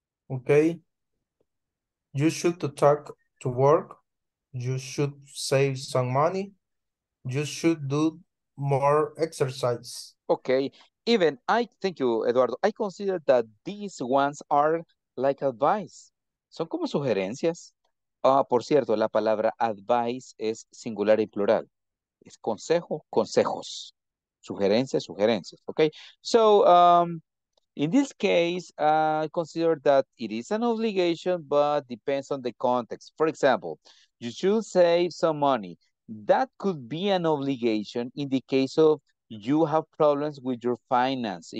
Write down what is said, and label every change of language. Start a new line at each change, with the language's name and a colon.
English: Okay. You should talk to work. You should save some money. You should do more exercise. Okay. Even I, thank you, Eduardo. I consider that these ones are like advice.
Spanish: Son como sugerencias. Ah, por cierto, la palabra advice es singular y plural. Es consejo, consejos. Sugerencias, sugerencias. Okay.
English: So, in this case, I consider that it is an obligation, but depends on the context. For example, you should save some money. That could be an obligation in the case of you have problems with your finance.